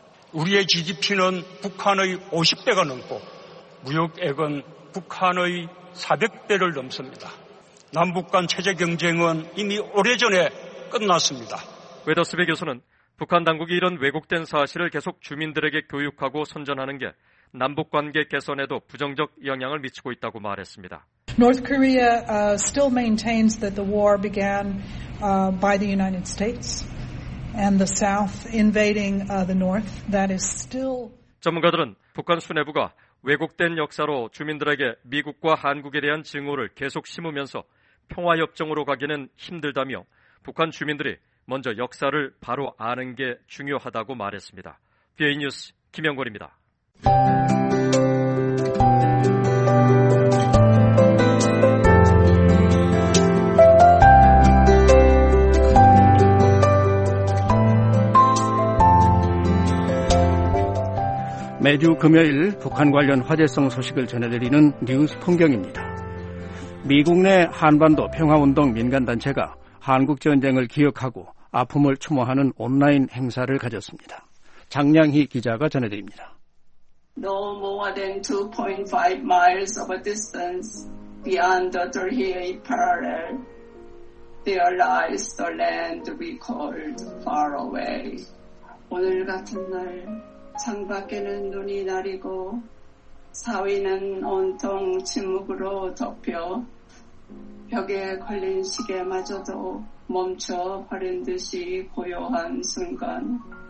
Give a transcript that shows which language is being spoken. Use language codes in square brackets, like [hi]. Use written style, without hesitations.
[ko] 우리의 GDP는 북한의 50배가 넘고 무역액은 북한의 400배를 넘습니다. 남북 간 체제 경쟁은 이미 오래전에 끝났습니다. 웨더스베 교수는 북한 당국이 이런 왜곡된 사실을 계속 주민들에게 교육하고 선전하는 게 남북관계 개선에도 부정적 영향을 미치고 있다고 말했습니다. [en] North Korea still maintains that the war began by the United States and the South invading the North. That is still. [ko] 전문가들은 북한 수뇌부가 왜곡된 역사로 주민들에게 미국과 한국에 대한 증오를 계속 심으면서 평화협정으로 가기는 힘들다며 북한 주민들이 먼저 역사를 바로 아는 게 중요하다고 말했습니다. VOA 뉴스 김영걸입니다. 매주 금요일 북한 관련 화제성 소식을 전해드리는 뉴스 풍경입니다. 미국 내 한반도 평화운동 민간단체가 한국전쟁을 기억하고 아픔을 추모하는 온라인 행사를 가졌습니다. 장량희 기자가 전해드립니다. [en] No more than 2.5 miles of a distance beyond the Delhi parallel, there lies the land we called far away. [ko] 오늘 같은 날 창밖에는 눈이 내리고 사위는 온통 침묵으로 덮여 벽에 걸린 시계마저도 멈춰버린 듯이 고요한 순간.